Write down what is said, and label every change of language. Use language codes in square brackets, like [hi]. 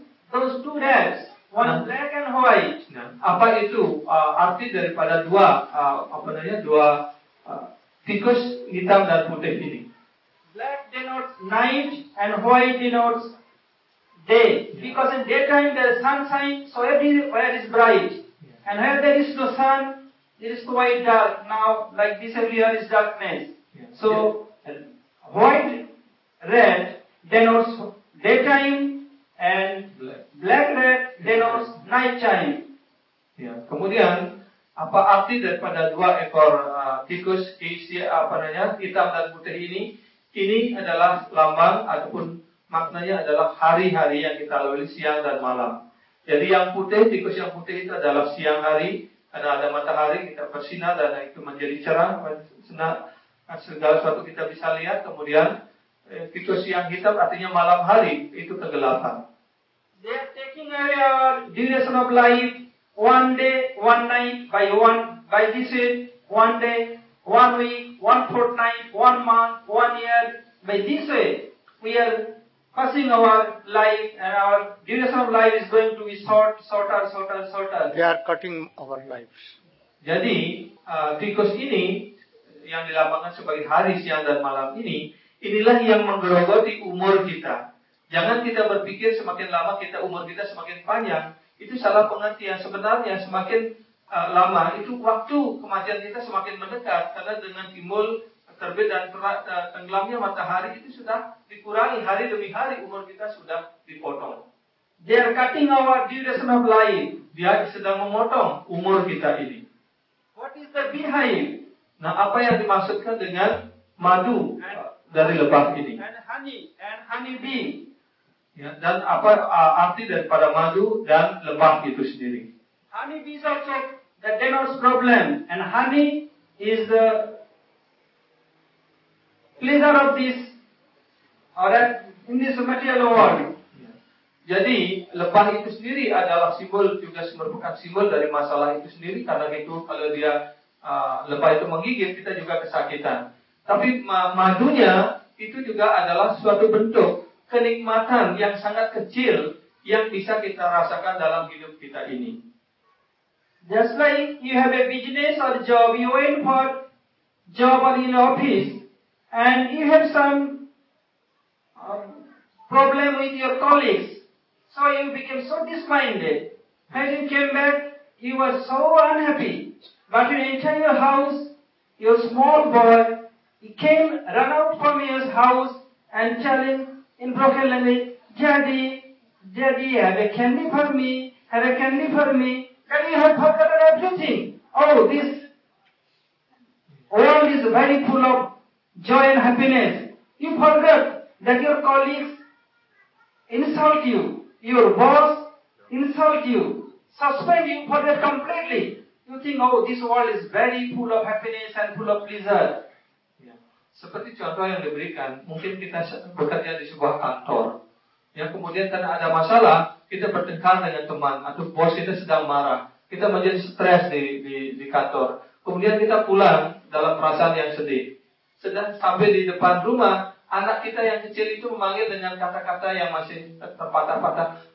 [en] Those two rats, one black and white. [id] Nah, apa itu arti daripada dua tikus hitam dan putih ini? [en] Black denotes night and white denotes day. Yeah. Because in daytime there is sunshine, so everywhere is bright. Yeah. And where there is no sun, there is quite dark. Now, like this everywhere is darkness. Yeah. So, yeah. White red denotes daytime. And black red denotes night time. [id] Ya, kemudian apa arti daripada dua ekor tikus hitam dan putih ini? Ini adalah lambang ataupun maknanya adalah hari-hari yang kita lalui siang dan malam. Jadi yang putih, tikus yang putih itu adalah siang hari karena ada matahari kita bersinar dan itu menjadi cerah, senang segala sesuatu kita bisa lihat. Kemudian tikus yang hitam artinya malam hari itu kegelapan. [en] They are taking away our duration of life one day, one night, by this way, one day, one week, one fortnight, one month, one year. By this way, we are passing our life and our duration of life is going to be shorter. They are cutting our lives. [id] Jadi, tikus ini, yang dilambangkan sebagai hari, siang, dan malam ini, inilah yang menggerogoti umur kita. Jangan kita berpikir semakin lama kita umur kita semakin panjang, itu salah pengertian. Sebenarnya semakin lama itu waktu kematian kita semakin mendekat, karena dengan timbul terbit dan tenggelamnya matahari itu sudah dikurangi, hari demi hari umur kita sudah dipotong. [en] They are cutting our duration of life. [id] Dia sedang memotong umur kita ini. [en] What is the beehive? [id] Nah, apa yang dimaksudkan dengan madu dari lebah ini? [en] And honey bee. [id] Ya, dan apa arti daripada madu dan lebah itu sendiri? [en] Honey bees also that denotes problem, and honey is the pleasure of this or that in this material world. [id] Ya. Jadi lebah itu sendiri adalah simbol juga merupakan simbol dari masalah itu sendiri, karena itu kalau dia lebah itu menggigit kita juga kesakitan. Tapi madunya itu juga adalah suatu bentuk kenikmatan yang sangat kecil yang bisa kita rasakan dalam hidup kita ini. [en] Just like you have a business or job, you went for job or in office, and you have some problem with your colleagues. So you became so disminded. When you came back, you were so unhappy. But you entered your house, your small boy, he came, run out from his house and tell him in broken language, Daddy, Daddy, have a candy for me, have a candy for me. Then you have forgotten everything. Oh, this world is very full of joy and happiness. You forgot that your colleagues insult you, your boss insult you, suspend you for that completely. You think, oh, this world is very full of happiness and full of pleasure. [id] Seperti contoh yang diberikan, mungkin kita bekerja di sebuah kantor, yang kemudian karena ada masalah, kita bertengkar dengan teman atau bos kita sedang marah, kita menjadi stres di kantor. Kemudian kita pulang dalam perasaan yang sedih. Sedang sampai di depan rumah, anak kita yang kecil itu memanggil dengan kata-kata yang masih terpatah-patah.